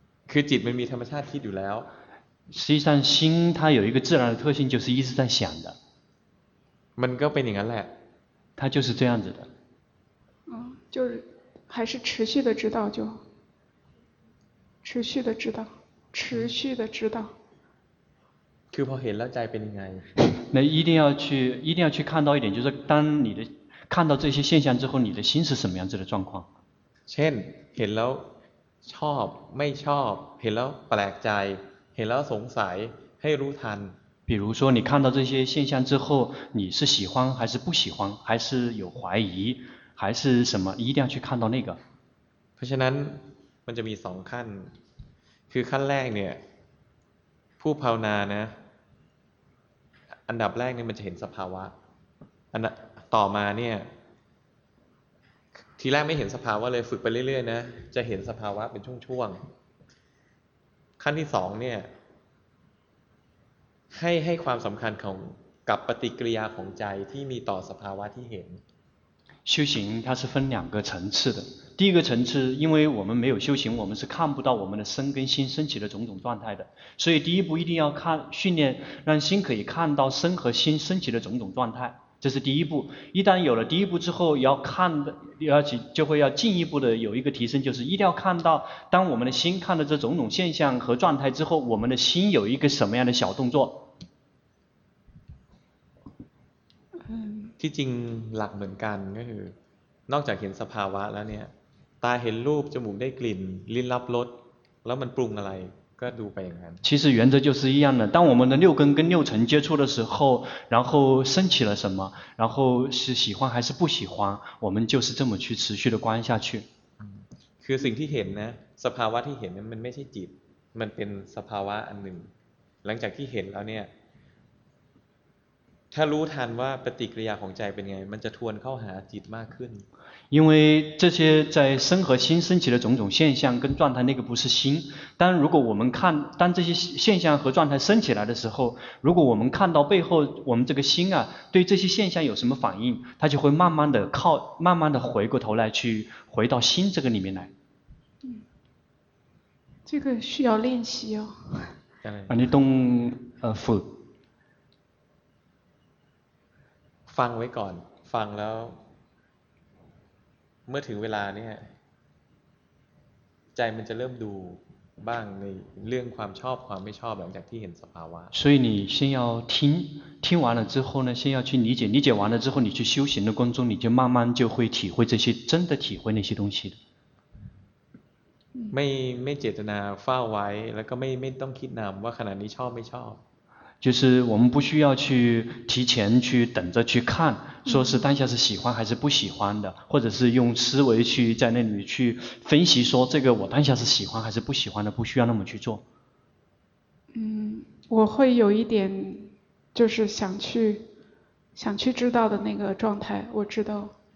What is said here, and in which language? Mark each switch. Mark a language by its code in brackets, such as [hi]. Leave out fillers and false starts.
[th] คือจิตมันมีธรรมชาติคิดอยู่แล้ว [zh] 实际上心它有一个自然的特性就是一直在想的 [th] มันก็เป็นอย่างนั้นแหละ [zh] 它就是这样子的就是还是持续的知道就持续的知道持续的知道 [th] คือพอเห็นแล้วใจเป็นยังไง [zh] 那一定要去看到一点就是当你的看到这些现象之后你的心是什么样子的状况 [th] เช่นเห็นแล้วชอบไม่ชอบเห็นแล้วแปลกใจเห็นแล้วสงสัยให้รู้ทัน [zh] 比如说你看到这些现象之后你是喜欢还是不喜欢还是有怀疑还是什么一定要去看到那个 [th] เพราะฉะนั้นมันจะมีสองขั้นคือขั้นแรกเนี่ยผู้ภาวนานะอันดับแรกเนี่ยมันจะเห็นสภาวะต่อมาเนี่ยทีแรกไม่เห็นสภาวะเลยฝึกไปเรื่อยๆนะจะเห็นสภาวะเป็นช่วงๆขั้นที่สองเนี่ยให้ความสำคัญของกับปฏิกิริยาของใจที่มีต่อสภาวะที่เห็น [zh] 修行它是分两个层次的第一个层次因为我们没有修行我们是看不到我们的身跟心升起的种种状态的所以第一步一定要看训练让心可以看到身和心升起的种种状态这是第一步一旦有了第一步之后要看要就会要进一步的有一个提升就是一定要看到当我们的心看到这种种现象和状态之后我们的心有一个什么样的小动作 [th] ที่จริงหลักเหมือนกันก็คือนอกจากเห็นสภาวะแล้วเนี่ยตาเห็นรูปจมูกได้กลิ่นลิ้นรับรสแล้วมันปรุงอะไรก็ดูไปอย่างนั้น [zh] 其实原则就是一样的当我们的六根跟六尘接触的时候然后升起了什么然后是喜欢还是不喜欢我们就是这么去持续的观下去 [th] คือสิ่งที่เห็นนะสภาวะที่เห็นนั้นมันไม่ใช่จิตมันเป็นสภาวะอันหนึ่งหลังจากที่เห็นแล้วเนี่ย ถ้ารู้ทันว่าปฏิกิริยาของใจเป็นไงมันจะทวนเข้าหาจิตมากขึ้น [zh] 因为这些在身和心升起的种种现象跟状态那个不是心但如果我们看当这些现象和状态升起来的时候如果我们看到背后我们这个心啊对这些现象有什么反应它就会慢慢的靠慢慢的回过头来去回到心这个里面来这个需要练习哦啊你动腹 [th] ฟังไว้ก่อนฟังแล้วเมื่อถึงเวลาเนี่ยใจมันจะเริ่มดูบ้างในเรื่องความชอบความไม่ชอบหลังจากที่เห็นสภาวะ [zh] 所以你先要听听完了之后呢先要去理解理解完了之后你去修行的过程中你就慢慢就会体会这些真的体会那些东西的 [th] ไม่เจตนาเฝ้าไว้แล้วก็ไม่ต้องคิดนำว่าขณะนี้ชอบไม่ชอบ [zh] 就是我们不需要去提前去等着去看说是当下是喜欢还是不喜欢的或者是用思维去在那里去分析说这个我当下是喜欢还是不喜欢的不需要那么去做我会有一点就是想去知道的那个状态我知道